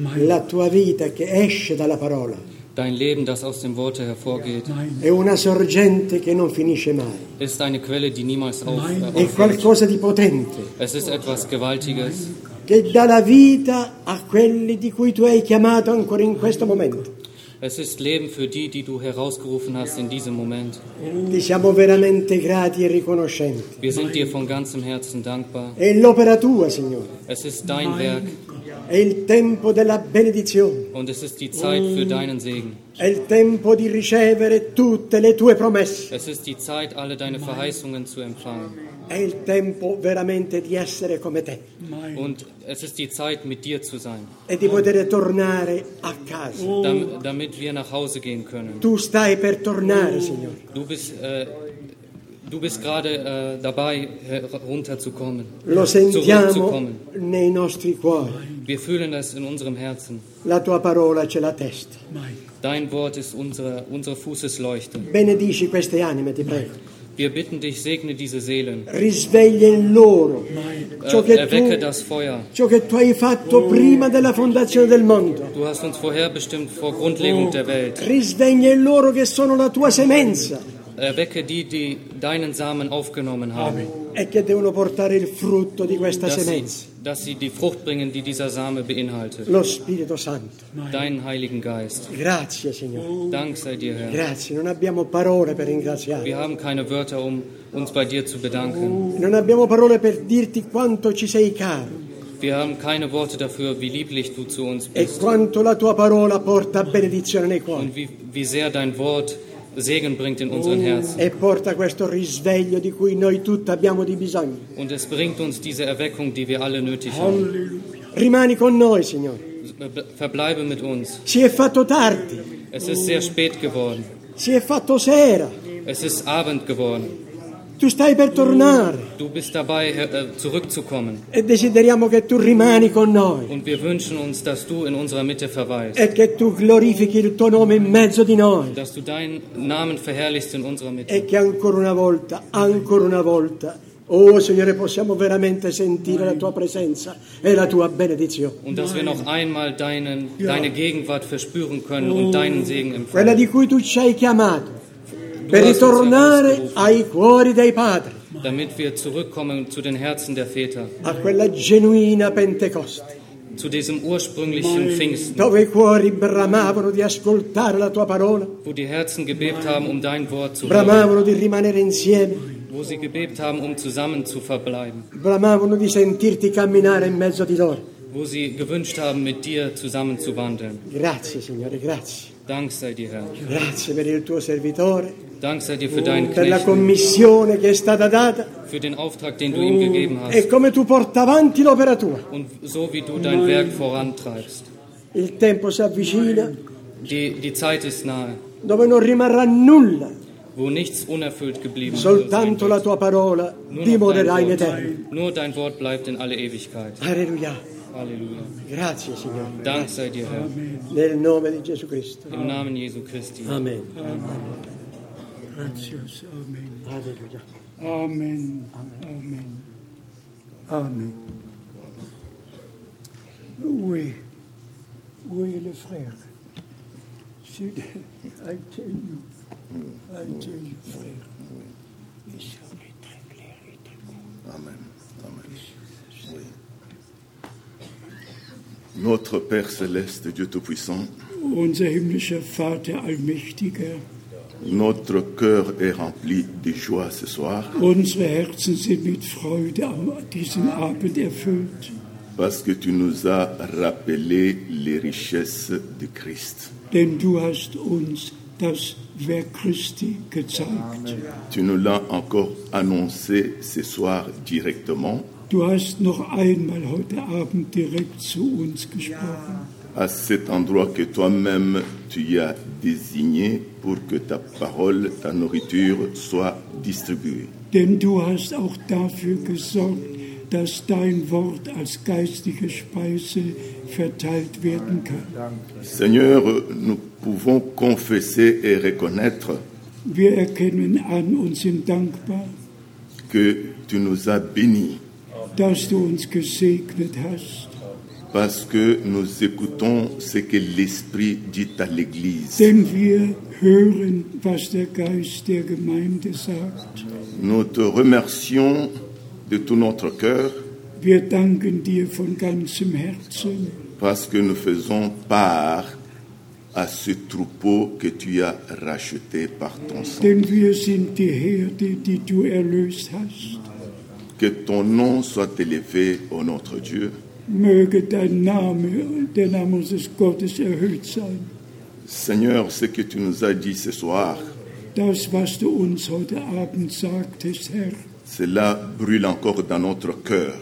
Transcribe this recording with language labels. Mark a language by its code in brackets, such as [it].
[it] La tua vita che esce dalla parola. [de] Dein Leben, das aus dem Worte hervorgeht. [it] È una sorgente che non finisce mai. [de] Ist eine Quelle, die niemals [it] è qualcosa di potente. [de] Es ist etwas Gewaltiges. [it] Che dà la vita a quelli di cui tu hai chiamato ancora in questo momento. [de] Es ist Leben für die, die du herausgerufen hast in diesem Moment. [it] Ti siamo veramente grati e riconoscenti. [de] Wir sind dir von ganzem Herzen dankbar. [it] È l'opera tua, Signore. [de] Es ist dein Werk. [it] È il tempo della benedizione. [de] Und es ist die Zeit für deinen Segen. [it] È il tempo di ricevere tutte le tue promesse. [de] Es ist die Zeit, alle deine Verheißungen zu empfangen. [it] È il tempo veramente di essere come te. [de] Und es ist die Zeit, mit dir zu sein. [it] E di poter tornare a casa. [de] Damit wir nach Hause gehen können. [it] Tu stai per tornare, Signore. [de] Du bist gerade dabei, runterzukommen. [it] Lo sentiamo nei nostri cuori. [de] Wir fühlen es in unserem Herzen. [it] La tua parola ce la testa. [de] Dein Wort ist unsere Fußesleuchte. [it] Benedici queste anime, ti prego. [de] Wir bitten dich, segne diese Seelen. [it] Risveglia in loro. [de] Erwecke das Feuer. [it] Ciò che tu hai fatto prima della fondazione del mondo. [de] Du hast uns vorherbestimmt vor Grundlegung der Welt. [it] Risveglia in loro che sono la tua semenza. [de] Erwecke die, die deinen Samen aufgenommen haben. [it] E che devono portare il frutto di questa semenza. [de] Dass sie die Frucht bringen, die dieser Same beinhaltet. [it] Lo Spirito Santo. [de] Deinen Heiligen Geist. [it] Grazie, Signore. [de] Dank sei dir, Herr. [it] Grazie. Non abbiamo parole per ringraziare. [de] Wir haben keine Wörter, um uns bei dir zu bedanken. [it] Non abbiamo parole per dirti quanto ci sei caro. [de] Wir haben keine Worte dafür, wie lieblich du zu uns bist. [it] E quanto la tua parola porta benedizione nei cuori. [de] Und wie sehr dein Wort Segen bringt in unseren Herzen. [it] E porta questo risveglio di cui noi tutti abbiamo di bisogno. [de] Und es bringt uns diese Erweckung, die wir alle nötig haben. [it] Rimani con noi, Signore. [de] Verbleibe mit uns. [it] Si è fatto tardi. [de] Es ist sehr spät geworden. [it] Si è fatto sera. [de] Es ist Abend geworden. [it] Tu stai per tornare. [de] Du bist dabei, zurückzukommen. [it] E desideriamo che tu rimani con noi. [de] Und wir wünschen uns, dass du in unserer Mitte verweilst. [it] E che tu glorifichi il tuo nome in mezzo di noi. [de] Dass du deinen Namen verherrlichst in unserer Mitte. [it] E che ancora una volta, oh Signore, possiamo veramente sentire la tua presenza e la tua benedizione. [de] Und dass wir noch einmal deine Gegenwart verspüren können und deinen Segen empfangen. [it] Quella di cui tu ci hai chiamato. Per ritornare ai cuori dei padri. [de] Damit wir zurückkommen zu den Herzen der Väter. [it] A quella genuina Pentecoste. [de] Zu diesem ursprünglichen Pfingsten. [it] Dove i cuori bramavano di ascoltare la tua parola. [de] Wo die Herzen gebebt haben, um dein Wort zu hören. [it] Bramavano di rimanere insieme. [de] Wo sie gebebt haben, um zusammen zu verbleiben. [it] Bramavano di sentirti camminare in mezzo di loro. [de] Wo sie gewünscht haben, mit dir zusammen zu wandeln. [it] Grazie, Signore, grazie. [de] Dank sei dir, Herr. [it] Grazie per il tuo servitore. [de] Dank sei dir für deinen Knecht. [it] Per la commissione che è stata data. [de] Für den Auftrag, den du ihm gegeben hast. [it] E come tu porti avanti l'opera tua. [de] Und so wie du dein Werk vorantreibst. [it] Il tempo si avvicina. [de] Die Zeit ist nahe. [it] Dove non rimarrà nulla. [de] Wo nichts unerfüllt geblieben [it] soltanto [de] wird. [it] La tua parola dimorerà in eterno. [de] Nur dein Wort bleibt in alle Ewigkeit. Halleluja. Halleluja. [it] Grazie, Signore. [de] Dank sei dir, Herr. [it] Nel nome di Gesù Cristo. [de] Im Namen Jesu Christi. Amen. Amen. [it] Grazie, Amen. Halleluja. Amen. Amen. Amen. [fr] Oui. Oui, le frère. [en] I tell you. I tell you, frère. [de] Ich habe die [fr] très clair et très [de] gut. [fr] Amen. Amen. Oui. Notre Père Céleste, Dieu Tout-Puissant. [de] Unser himmlischer Vater Allmächtiger. [fr] Notre cœur est rempli de joie ce soir. [de] Unsere Herzen sind mit Freude an diesem Abend erfüllt. [fr] Parce que tu nous as rappelé les richesses de Christ. [de] Denn du hast uns das Werk Christi gezeigt. Amen. [fr] Tu nous l'as encore annoncé ce soir directement. [de] Du hast noch einmal heute Abend direkt zu uns gesprochen. Ja. [fr] À cet endroit que toi-même tu y as désigné pour que ta parole, ta nourriture soit distribuée. [de] Denn du hast auch dafür gesorgt, dass dein Wort als geistige Speise verteilt werden kann. [fr] Seigneur, nous pouvons confesser et reconnaître. [de] Wir erkennen an und sind dankbar, [fr] que tu nous as bénis. [de] Dass du uns gesegnet hast. [fr] Parce que nous écoutons ce que l'Esprit dit à l'Église. [de] Denn wir hören, was der Geist der Gemeinde sagt. [fr] Nous te remercions de tout notre cœur. [de] Wir danken dir von ganzem Herzen. [fr] Parce que nous faisons part à ce troupeau que tu as racheté par ton sang. [de] Denn wir sind die Herde, die du erlöst hast. [fr] Que ton nom soit élevé, ô notre Dieu. [de] Möge dein Name, der Name unseres Gottes, erhöht sein. [fr] Seigneur, ce que tu nous as dit ce soir, [de] das, was du uns heute Abend sagtest, Herr, [fr] cela brûle encore dans notre cœur.